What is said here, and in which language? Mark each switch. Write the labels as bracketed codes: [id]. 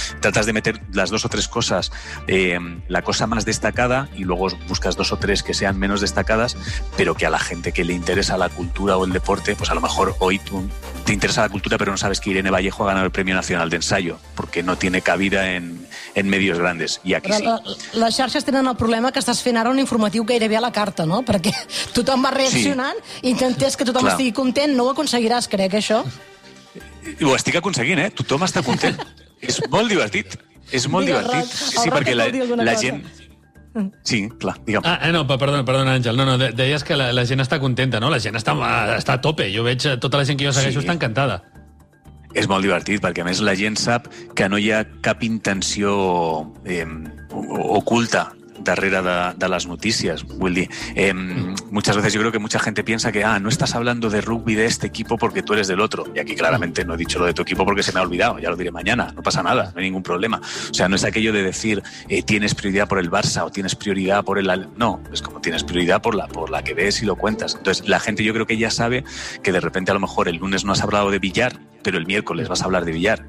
[es] Tratas de meter las 2 o 3 cosas, la cosa más destacada, y luego buscas 2 o 3 que sean menos destacadas, pero que a la gente que le interesa la cultura o el deporte, pues a lo mejor hoy tú te interesa la cultura, pero no sabes que Irene Vallejo ha ganado el Premio Nacional de Ensayo, porque no tiene cabida en medios grandes, [ca] i aquí sí. Les xarxes tenen el problema que estàs fent ara un informatiu gairebé a la carta, no? Perquè tothom va reaccionant, sí. intentes que tothom Clar. Estigui content, no ho aconseguiràs, crec, això. Ho estic aconseguint, eh? Tothom està content. És molt divertit. És molt Digue, divertit. Roc, sí, perquè la gent... Sí, clar, digue'm. Ah, no, perdona, Àngel. No, deies que la gent està contenta, no? La gent està a tope. Jo veig tota la gent que jo segueixo sí. està encantada. És molt divertit, perquè a més la gent sap que no hi ha cap intenció oculta darrere de les notícies. Vull dir, [es] muchas veces yo creo que mucha gente piensa que, no estás hablando de rugby de este equipo porque tú eres del otro. Y aquí claramente no he dicho lo de tu equipo porque se me ha olvidado. Ya lo diré mañana. No pasa nada, no hay ningún problema. O sea, no es aquello de decir tienes prioridad por el Barça o tienes prioridad por el... No, es como tienes prioridad por la que ves y lo cuentas. Entonces, la gente yo creo que ya sabe que de repente a lo mejor el lunes no has hablado de billar, pero el miércoles vas a hablar de billar.